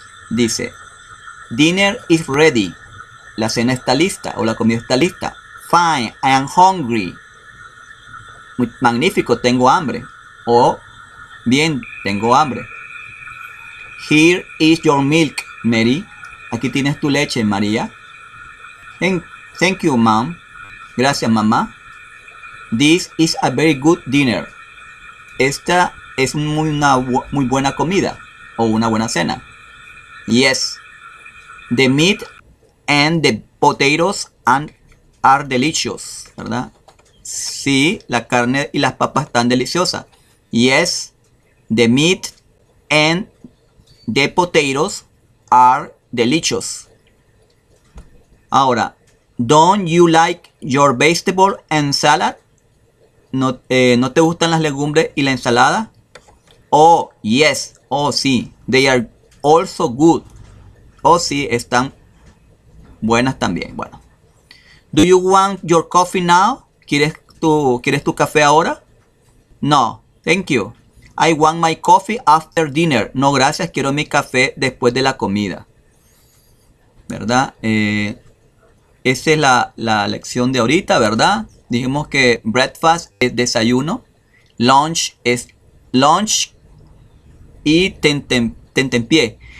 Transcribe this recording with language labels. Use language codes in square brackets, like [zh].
[en] Dice, dinner is ready. [es] La cena está lista o la comida está lista. [en] Fine, I am hungry. [es] Muy magnífico, tengo hambre. O bien, tengo hambre. [en] Here is your milk, Mary. [es] Aquí tienes tu leche, María. [en] Thank you, mom. [es] Gracias, mamá. [en] This is a very good dinner. [es] Esta es una muy buena comida o una buena cena. [en] Yes, the meat and the potatoes are delicious, ¿verdad? [es] Sí, la carne y las papas están deliciosas. [en] Yes, the meat and the potatoes are delicious. Ahora, don't you like your vegetable and salad? [es] ¿No te gustan las legumbres y la ensalada? [en] Oh, yes. [es] Oh, sí. [en] They are also good. Oh, sí. [es] Están buenas también. Bueno. [en] Do you want your coffee now? [es] ¿Quieres tu café ahora? No. [en] Thank you. I want my coffee after dinner. [es] No, gracias. Quiero mi café después de la comida. ¿Verdad? Esa es la lección de ahorita, ¿verdad? Dijimos que breakfast es desayuno, lunch es lunch y tentempié.